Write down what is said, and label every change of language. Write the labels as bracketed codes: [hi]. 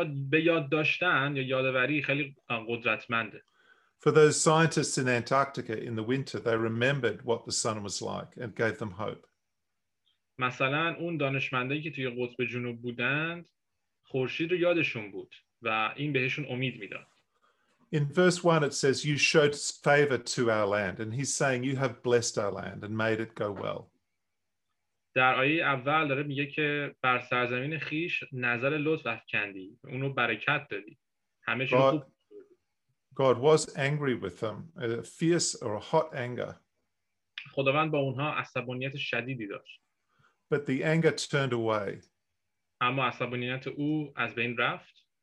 [fa] به یاد داشتن یا یادآوری خیلی قدرتمنده. [en] For those scientists in Antarctica in the winter, they remembered what the sun was like and gave them hope. [fa] مثلا اون دانشمندایی که توی قطب جنوب بودند، خورشید رو یادشون بود و این بهشون امید میداد. [en] In verse 1 it says you showed favor to our land, and he's saying you have blessed our land and made it go well. [fa] در آیه اول داره میگه که بر سرزمین خیش نظر لطف افکندی، اونو برکت دادی. همه چی خوب. [en] God was angry with them, a fierce or a hot anger. [fa] خداوند با اونها عصبانیت شدیدی داشت. [en] But the anger turned away. [fa] اما عصبانیت او از بین رفت.